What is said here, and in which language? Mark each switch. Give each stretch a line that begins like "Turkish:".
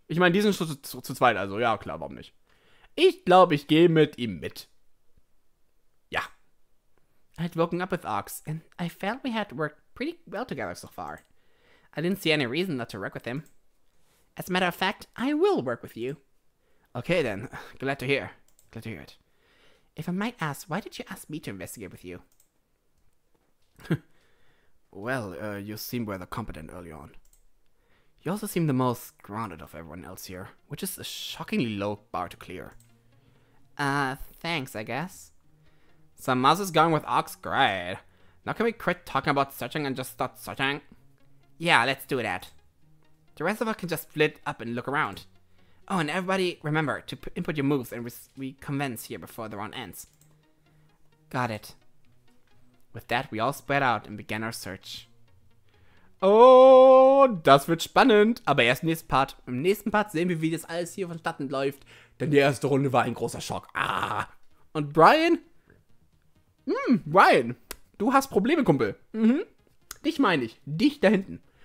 German: Ich meine, die sind schon zu zweit, also ja, klar, warum nicht? Ich glaube, ich gehe mit ihm mit. Ja.
English: I had woken up with Ox, and I felt we had worked pretty well together so far. I didn't see any reason not to work with him. As a matter of fact, I will work with you. Okay then, glad to hear it. If I might ask, why did you ask me to investigate with you? Well, you seemed rather competent early on. You also seem the most grounded of everyone else here, which is a shockingly low bar to clear. Thanks, I guess. Some mouse is going with Ox, great. Now can we quit talking about searching and just start searching? Yeah, let's do that. The rest of us can just split up and look around. Oh, and everybody remember to input your moves and we convince here before the round ends. Got it. With that, we all spread out and began our search.
German: Oh, das wird spannend. Aber erst nächsten Part. Im nächsten Part sehen wir, wie das alles hier vonstatten läuft. Denn die erste Runde war ein großer Schock. Ah. Und Brian? Brian, du hast Probleme, Kumpel. Dich meine ich. Dich da hinten.